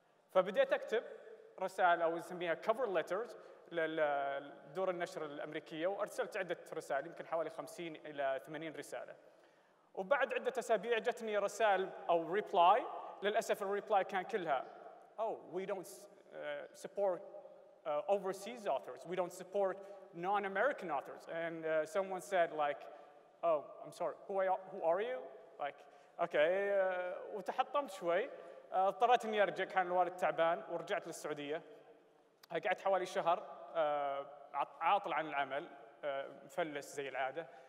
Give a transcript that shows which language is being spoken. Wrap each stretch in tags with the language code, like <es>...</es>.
<ar>فبديت أكتب رسائل أو نسميها cover letters للدور النشر الأمريكية وأرسلت عدة رسائل يمكن حوالي 50 إلى 80 رسالة. وبعد عدة أسابيع جتني رسائل أو reply. للأسف الreply كان كلها</ar> <en>oh we don't support overseas authors, we don't support non-American authors, and someone said like oh I'm sorry who are you like okay.</en> <ar>وتحطمت شوي، اضطريت إني أرجع، كان الوالد تعبان ورجعت للسعودية. قعدت حوالي شهر عاطل عن العمل، مفلس زي العادة.</ar>